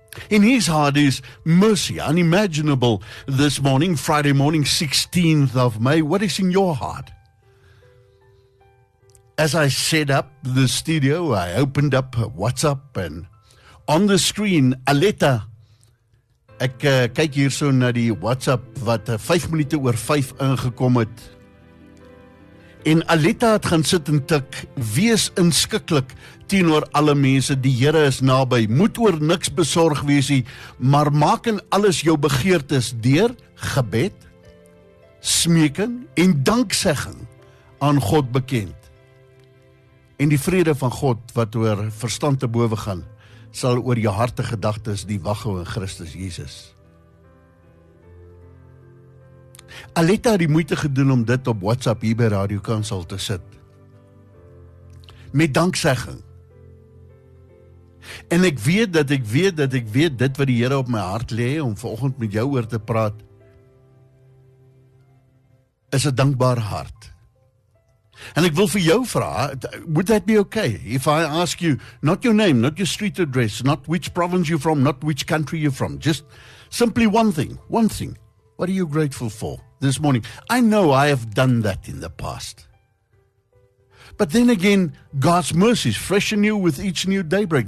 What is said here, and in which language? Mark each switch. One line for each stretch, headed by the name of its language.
English: In his heart is mercy unimaginable this morning, Friday morning, 16th of May. What is in your heart? As I set up the studio, I opened up WhatsApp and on the screen, Aletta.
Afrikaans: Ek kyk hierso na die WhatsApp wat 5 minute oor 5 ingekom het. En Aletta het gaan sit en tik, wees inskikkelik teenoor alle mense, die Here is naby, moet oor niks besorg wees nie, maar maak in alles jou begeertes deur gebed, smeking en danksegging aan God bekend. En die vrede van God wat oor verstand te bowe gaan, sal oor jou harte gedagtes die wag hou in Christus Jesus. Aletta het die moeite gedoen om dit op WhatsApp hier by Radio Kansel te sit. Met danksegging. En ek weet dit wat die Here op my hart lê om vanoggend met jou oor te praat, is 'n dankbare hart. En ek wil vir jou vra,
English: would that be okay if I ask you, not your name, not your street address, not which province you're from, not which country you're from, just simply one thing, what are you grateful for this morning? I know I have done that in the past. But then again, God's mercy is fresh and new with each new daybreak.